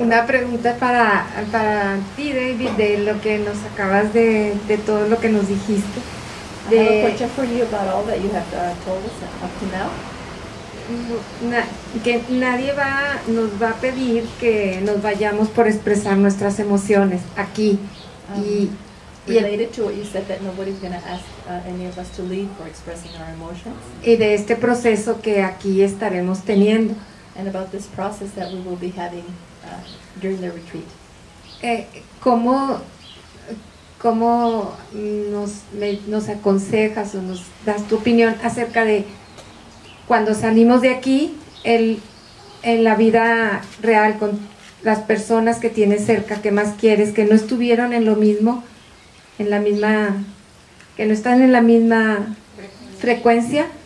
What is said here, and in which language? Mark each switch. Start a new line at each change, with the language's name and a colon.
Spanish: Una pregunta para ti, David, de lo que nos acabas de todo lo que nos dijiste.
English: I have a question for you about all that you have told us up to now.
Spanish: Que nadie nos va a pedir que nos vayamos por expresar nuestras emociones aquí.
English: Related to what you said, that nobody's going to ask any of us to leave for expressing our emotions.
Spanish: Y de este proceso que aquí estaremos teniendo.
English: And about this process that we will be having during the retreat.
Spanish: ¿Cómo nos aconsejas o nos das tu opinión acerca de cuando salimos de aquí, en la vida real con las personas que tienes cerca, que más quieres, que no estuvieron en lo mismo, en la misma, que no están en la misma frecuencia?